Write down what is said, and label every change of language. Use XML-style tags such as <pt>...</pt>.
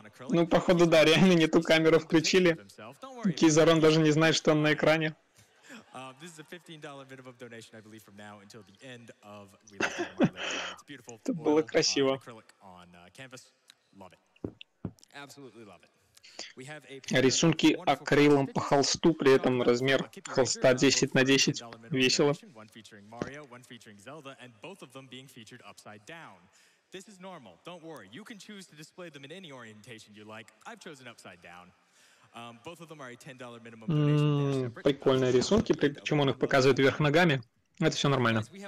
<ru>Ну, походу, да, реально не ту камеру включили. Кейзар, он даже не знает, что он на экране.</ru> <en>This is a $15 minimum donation, I believe, from now until the end of We Love Marley. It's beautiful.</en> <ru>Это было красиво.</ru> <en>Acrylic on canvas. Love it. Absolutely love it. We have a</en> <ru>рисунки акрилом по холсту, при этом размер холста 10x10. Весело.</ru> <en>One featuring Mario, one featuring Zelda, and both of them being featured upside down. This is normal. Don't worry. You can choose to display them in any orientation you like. I've chosen upside down. Both of them are a $10 minimum donation.</en> <ru>Прикольные рисунки, причем он их показывает вверх ногами. Это все нормально.</ru>